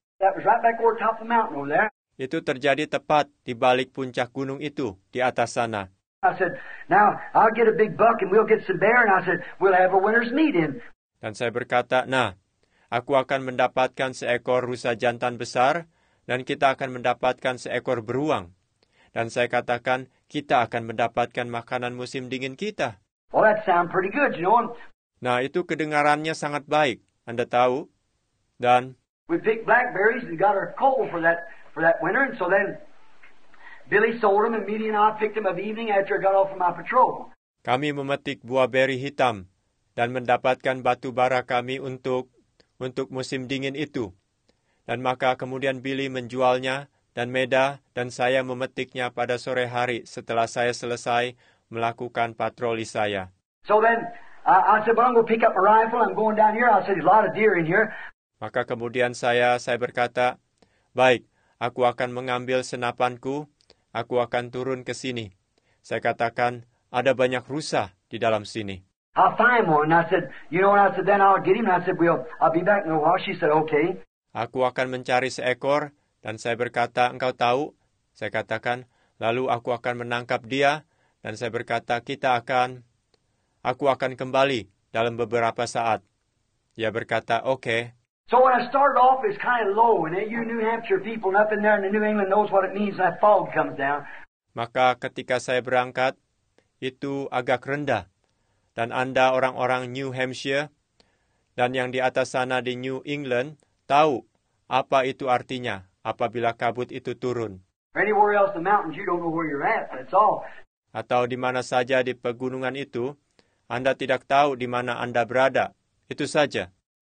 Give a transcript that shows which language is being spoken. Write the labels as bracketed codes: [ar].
[en] That was right back over top of the mountain over there. [id] Itu terjadi tepat di balik puncak gunung itu, di atas sana. [en] I said, now, I'll get a big buck and we'll get some bear and I said, we'll have a winter's meat in. [id] Dan saya berkata, nah, aku akan mendapatkan seekor rusa jantan besar dan kita akan mendapatkan seekor beruang. Dan saya katakan, kita akan mendapatkan makanan musim dingin kita. [en] Well, that sound pretty good, you know. [id] Nah, itu kedengarannya sangat baik, Anda tahu. Dan [en] we picked blackberries and got our coal for that winter, and so then Billy sold them and Billy and I picked them up evening after I got off from my patrol. [id] Kami memetik buah beri hitam dan mendapatkan batu bara kami untuk musim dingin itu. Dan maka kemudian Billy menjualnya dan Meda dan saya memetiknya pada sore hari setelah saya selesai melakukan patroli saya. [en] So then I said, well, I'm going to pick up my rifle. I'm going down here. I said, there's a lot of deer in here. [id] Maka kemudian saya berkata, baik, aku akan mengambil senapanku. Aku akan turun ke sini. Saya katakan, ada banyak rusa di dalam sini. [en] I'll find one. I said, you know what? I said, then I'll get him. I said, I'll be back in a while. She said, okay. [id] Aku akan mencari seekor. Dan saya berkata, engkau tahu. Saya katakan, lalu aku akan menangkap dia. Dan saya berkata, aku akan kembali dalam beberapa saat. Ia berkata, okay. [en] So when I started off, it's kind of low, and you New Hampshire people up in there in the New England knows what it means when that fog comes down. [id] Maka ketika saya berangkat, itu agak rendah. Dan Anda orang-orang New Hampshire, dan yang di atas sana di New England, tahu apa itu artinya apabila kabut itu turun. [en] Anywhere else in the mountains, you don't know where you're at, that's all. Atau di mana saja di pegunungan itu, Anda tidak tahu di mana Anda berada. Itu saja.